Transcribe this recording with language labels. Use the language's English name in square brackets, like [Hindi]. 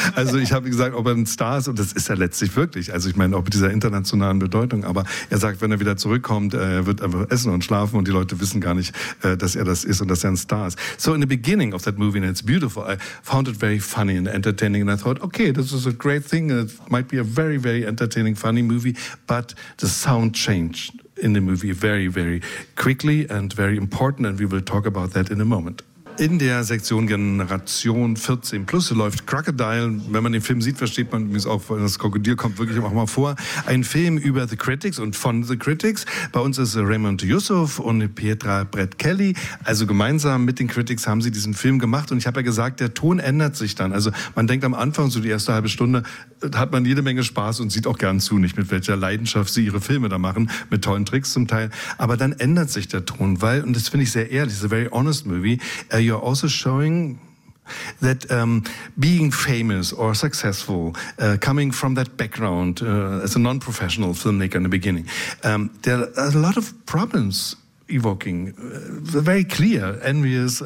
[German] Also ich habe gesagt, ob er ein Star ist, und das ist er letztlich wirklich. Also ich meine, auch mit dieser internationalen Bedeutung. Aber er sagt, wenn er wieder zurückkommt, er wird einfach essen und schlafen und die Leute wissen gar nicht, dass er das ist und dass er ein Star ist. [English] So in the beginning of that movie, and it's beautiful, I found it very funny and entertaining. And I thought, okay, this is a great thing. It might be a very, very entertaining, funny movie. But the sound changed in the movie very, very quickly and very important. And we will talk about that in a moment. [German] In der Sektion Generation 14 Plus läuft Crocodile. Wenn man den Film sieht, versteht man übrigens auch, das Krokodil kommt wirklich auch mal vor. Ein Film über The Critics und von The Critics. Bei uns ist Raymond Yusuf und Petra Brett Kelly. Also gemeinsam mit den Critics haben sie diesen Film gemacht. Und ich habe ja gesagt, der Ton ändert sich dann. Also man denkt am Anfang, so die erste halbe Stunde, hat man jede Menge Spaß und sieht auch gern zu, nicht mit welcher Leidenschaft sie ihre Filme da machen, mit tollen Tricks zum Teil. Aber dann ändert sich der Ton, weil, und das finde ich sehr ehrlich, [English] it's a very honest movie, you're also showing that being famous or successful, coming from that background as a non-professional filmmaker in the beginning, there are a lot of problems evoking, very clear, envious.